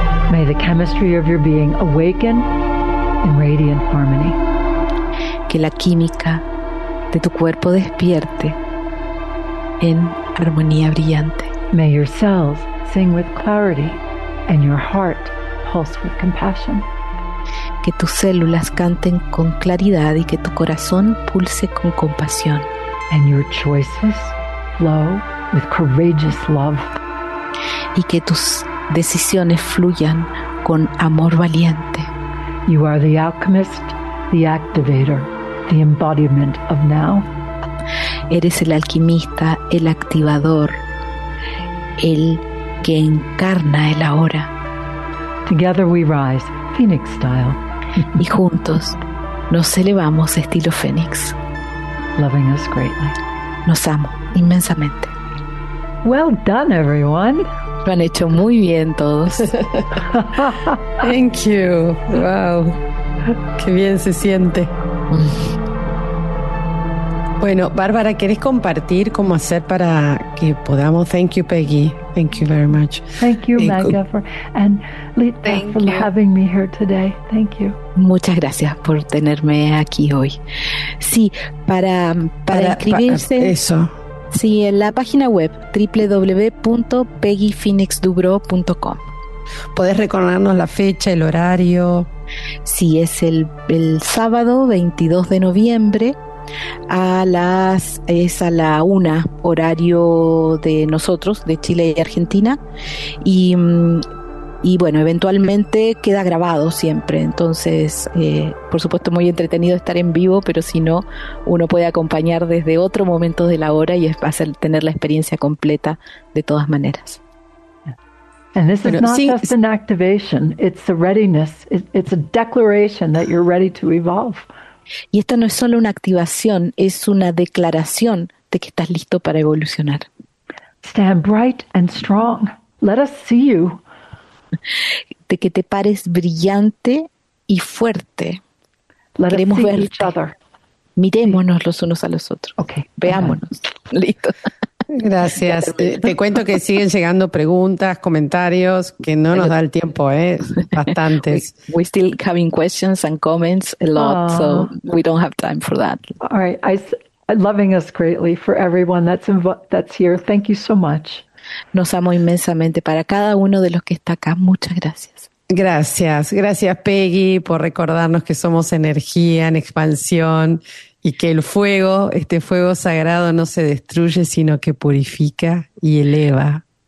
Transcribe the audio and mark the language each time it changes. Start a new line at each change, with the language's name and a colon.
English: May the chemistry of your being awaken in radiant harmony.
Spanish: Que la química de tu cuerpo despierte en armonía brillante.
English: May your cells sing with clarity and your heart pulse with compassion.
Spanish: Que tus células canten con claridad y que tu corazón pulse con compasión.
English: And your choices flow with courageous love.
Spanish: Y que tus decisiones fluyan con amor valiente.
English: You are the alchemist, the activator, the embodiment of now.
Spanish: Eres el alquimista, el activador, el que encarna el ahora.
English: Together we rise, Phoenix style.
Spanish: Y juntos nos elevamos estilo Fénix.
English: Loving us greatly.
Spanish: Nos amo inmensamente.
English: Well done, everyone.
Spanish: Lo han hecho muy bien todos.
English: Thank you. Wow.
Spanish: Qué bien se siente. Bueno, Bárbara, ¿quieres compartir cómo hacer para que podamos?
English: Thank you, Peggy. Thank you very much. Thank you, Magda, for having me here today. Thank you.
Spanish: Muchas gracias por tenerme aquí hoy. Sí, para inscribirse. Eso. Sí, en la página web www.peggyphoenixdubro.com. ¿Podés recordarnos la fecha, el horario? Sí, es el sábado 22 de noviembre. Es a la 1 horario de nosotros, de Chile y Argentina, y bueno, eventualmente queda grabado siempre, entonces por supuesto muy entretenido estar en vivo, pero si no, uno puede acompañar desde otro momento de la hora y hacer, tener la experiencia completa de todas maneras.
English: And this is not just an activation, it's a readiness, it's a declaration that you're ready to evolve.
Spanish: Y esta no es solo una activación, es una declaración de que estás listo para evolucionar.
English: Stand bright and strong. Let us see you.
Spanish: De que te pares brillante y fuerte.
English: Let
Spanish: Queremos
English: us see
Spanish: verte.
English: Each other.
Spanish: Mirémonos los unos a los otros.
English: Okay.
Spanish: Veámonos.
English: Okay.
Spanish: Listo. Gracias. Te cuento que siguen llegando preguntas, comentarios, que no nos da el tiempo, bastantes.
English: We still having questions and comments a lot, so we don't have time for that. All right, I'm loving us greatly for everyone that's here. Thank you so much.
Spanish: Nos amo inmensamente para cada uno de los que está acá. Muchas gracias. Gracias. Gracias, Peggy, por recordarnos que somos energía en expansión. Y que el fuego, este fuego sagrado, no se destruye, sino que purifica y eleva.